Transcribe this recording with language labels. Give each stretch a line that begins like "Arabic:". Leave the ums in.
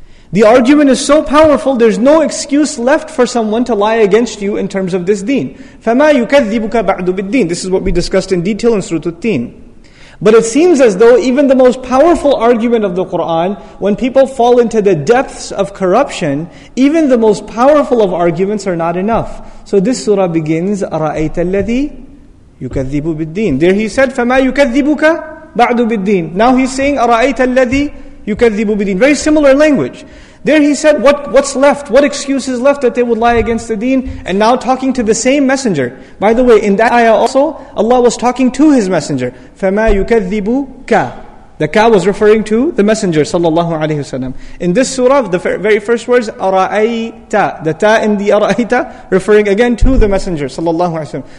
English: The argument is so powerful, there's no excuse left for someone to lie against you in terms of this deen.
Arabic: فَمَا يُكَذِّبُكَ بَعْدُ بِالدِّينِ
English: This is what we discussed in detail in Surah At-Teen. But it seems as though even the most powerful argument of the Quran, when people fall into the depths of corruption, even the most powerful of arguments are not enough. So this surah begins,
Arabic: أَرَأَيْتَ الَّذِي يُكَذِّبُ بِالدِّينِ
English: There he said,
Arabic: فَمَا يُكَذِّبُكَ بَعْدُ بِالدِّينِ
English: Now he's saying,
Arabic: أَرَأَيْتَ الَّذِي يكذب بدين.
English: Very similar language. There he said, what, what's left? What excuse is left that they would lie against the deen? And now talking to the same messenger. By the way, in that ayah also, Allah was talking to his messenger.
Arabic: فَمَا يُكَذِّبُ ka.
English: The ka was referring to the messenger sallallahu alaihi wasallam. In this surah, the fir- very first words, أَرَأَيْتَ The ta in the أَرَأَيْتَ, referring again to the messenger sallallahu alaihi wasallam.